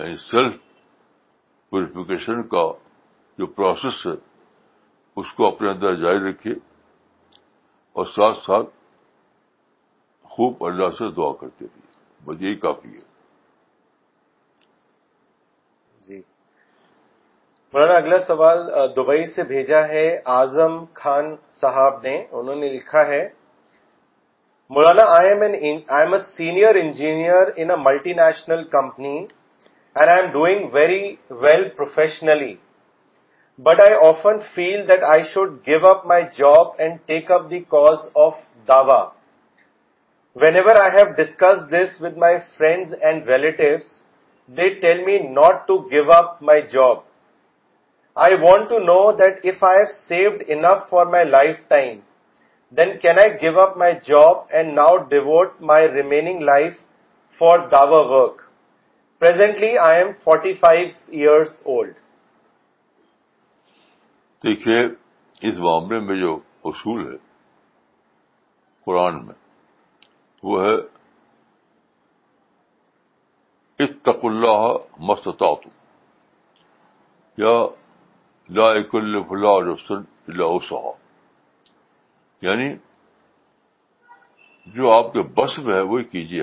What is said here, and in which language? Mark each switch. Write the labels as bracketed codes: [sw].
[ur] Self purification کا جو process ہے اس کو اپنے اندر جاری رکھیے اور ساتھ ساتھ خوب اللہ سے دعا کرتے رہیے, بس یہی کافی ہے. جی مولانا, اگلا سوال دبئی سے بھیجا ہے اعظم خان صاحب نے. انہوں نے لکھا ہے, مولانا, [en] I am a senior engineer in a multinational company and I am doing very well professionally. But I often feel that I should give up my job and take up the cause of Dawa. Whenever I have discussed this with my friends and relatives, they tell me not to give up my job. I want to know that if I have saved enough for my lifetime, then can I give up my job and now devote my remaining life for Dawa work? Presently, I am 45 years old. [ur] دیکھیے, اس معاملے میں جو اصول ہے قرآن میں وہ ہے [ar] اتق اللہ ما استطعتم, [ur] یا [ar] لا یکلف اللہ نفسا الا وسعها, [ur] یعنی جو آپ کے بس میں ہے وہی کیجیے.